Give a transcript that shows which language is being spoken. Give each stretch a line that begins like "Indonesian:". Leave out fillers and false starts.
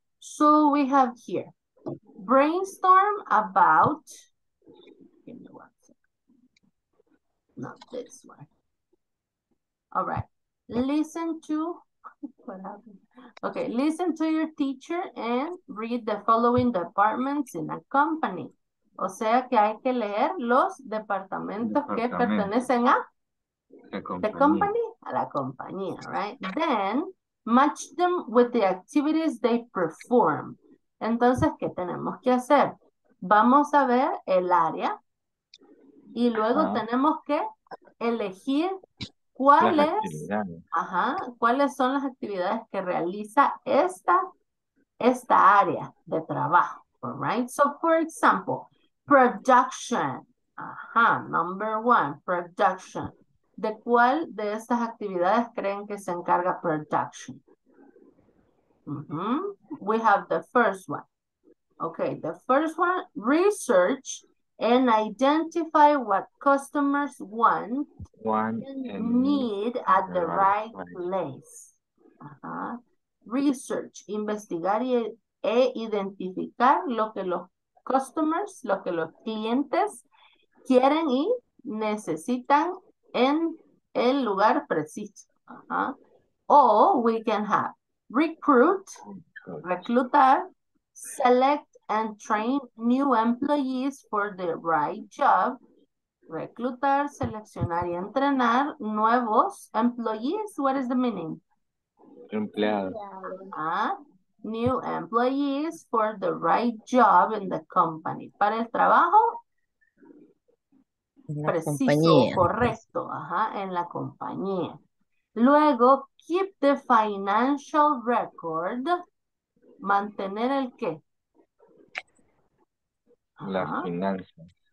English: So we have here, brainstorm about, give me one second, not this one. All right, listen to, what happened? Okay, listen to your teacher and read the following departments in a company.
Spanish: O sea que hay que leer los departamentos que pertenecen a
English: the company.
Spanish: A la compañía,
English: right? Then match them with the activities they perform.
Spanish: Entonces, ¿qué tenemos que hacer? Vamos a ver el área y luego tenemos que elegir cuáles son las actividades que realiza esta área de trabajo.
English: All right. So, for example, production. Number one, production.
Spanish: ¿De cuál de estas actividades creen que se encarga production?
English: We have the first one. Okay, the first one, research and identify what customers want and need at the right place.
Spanish: Research, investigar e identificar lo que los clientes quieren y necesitan en el lugar preciso.
English: Or we can have recruit, reclutar, select and train new employees for the right job.
Spanish: Reclutar, seleccionar y entrenar nuevos employees.
English: What is the meaning?
Spanish: Empleados.
English: New employees for the right job in the company.
Spanish: Para el trabajo preciso, correcto, en la compañía.
English: Luego, keep the financial record.
Spanish: ¿Mantener el qué? Las finanzas.